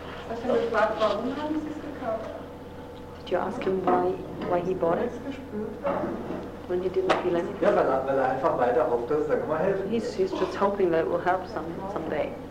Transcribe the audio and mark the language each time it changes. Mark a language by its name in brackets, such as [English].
[German] Hast du gefragt, warum haben sie es gekauft? [English] Did you ask him why he bought it? When he didn't feel anything? [German] Ja, weil er einfach weiter hofft, dass es dann mal helfen. [English] He's just hoping that it will help someday.